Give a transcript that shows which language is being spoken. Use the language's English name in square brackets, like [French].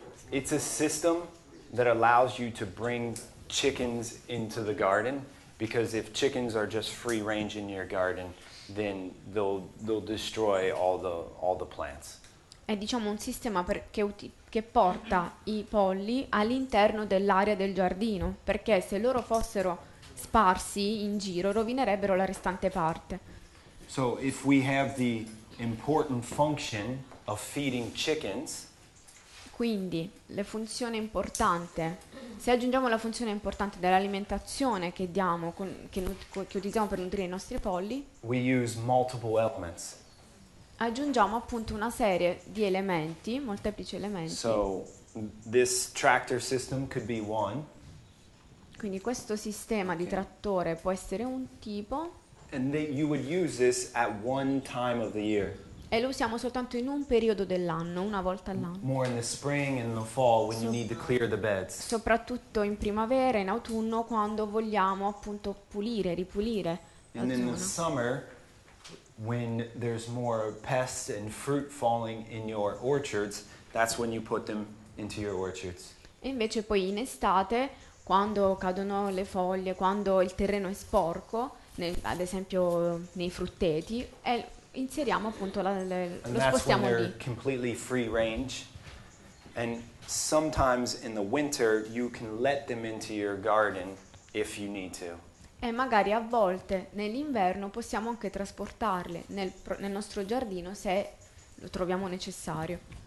[English] It's a system that allows you to bring chickens into the garden. Because if chickens are just free range in your garden, then they'll destroy all the plants. [Italian] È diciamo un sistema che porta i polli all'interno dell'area del giardino, perché se loro fossero sparsi in giro rovinerebbero la restante parte. [English] So if we have the important function of feeding chickens. [Italian] Quindi la funzione importante, se aggiungiamo la funzione importante dell'alimentazione che diamo, che utilizziamo per nutrire i nostri polli, [English] we use multiple elements. [Italian] Aggiungiamo appunto una serie di elementi, molteplici elementi. [English] So, this tractor system could be one. [Italian] Quindi questo sistema di trattore può essere un tipo. [English] And then you would use this at one time of the year. [Italian] E lo usiamo soltanto in un periodo dell'anno, una volta all'anno. [English] More in the spring and the fall when you need to clear the beds. [Italian] Soprattutto in primavera e in autunno quando vogliamo appunto pulire, ripulire la zona. [English] In the summer when there's more pests and fruit falling in your orchards, that's when you put them into your orchards. [Italian] E invece poi in estate quando cadono le foglie, quando il terreno è sporco, ad esempio nei frutteti, inseriamo appunto lo spostiamo lì. [English] And that's when completely free range. And sometimes in the winter you can let them into your garden if you need to. [Italian] E magari a volte nell'inverno possiamo anche trasportarle nel nostro giardino se lo troviamo necessario.